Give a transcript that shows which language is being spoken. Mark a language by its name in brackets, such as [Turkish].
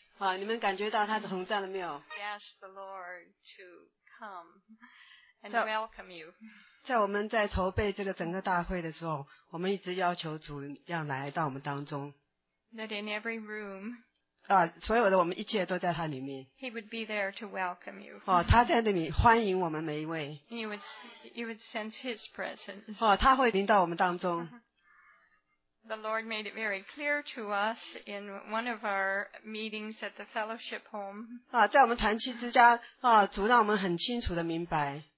[Chinese] 啊，你们感觉到他的同在了没有 [English] ？Yes, the Lord to come and welcome you. [Chinese] 在我们在筹备这个整个大会的时候，我们一直要求主要来到我们当中。 [English] That in every room. [Chinese] 啊，所有的我们一切都在他里面。 [English] He would be there to welcome you. [Chinese] 哦，他在那里欢迎我们每一位。 [English] You would sense His presence. [Chinese] 哦，他会临到我们当中。 [English] The Lord made it very clear to us in one of our meetings at the fellowship home. [Chinese] 啊，在我们团契之家啊，主让我们很清楚的明白。